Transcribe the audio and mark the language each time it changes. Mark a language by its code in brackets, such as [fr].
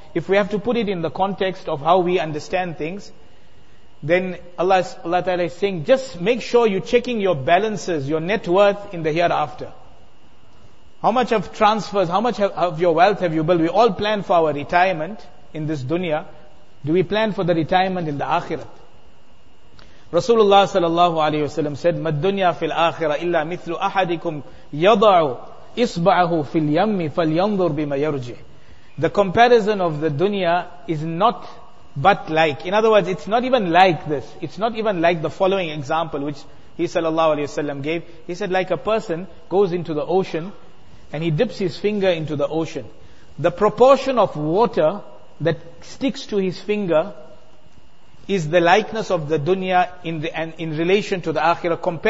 [en] If we have to put it in the context of how we understand things, then Allah Ta'ala is saying, just make sure you're checking your balances, your net worth in the hereafter. How much of transfers, how much of your wealth have you built? We all plan for our retirement in this dunya. Do we plan for the retirement in the akhirat? [ar] Rasulullah sallallahu alayhi wa sallam said, مَا الدُّنْيَا فِي الْآخِرَةِ إِلَّا مِثْلُ أَحَدِكُمْ يَضَعُ إِصْبَعَهُ فِي الْيَمِّ فَلْيَنْظُرْ بِمَا يَرْجِحِ. [en] The comparison of the dunya is not but like. In other words, it's not even like this. It's not even like the following example which he sallallahu alayhi wa sallam gave. He said, like a person goes into the ocean and he dips his finger into the ocean. The proportion of water that sticks to his finger is the likeness of the dunya in relation to the akhirah.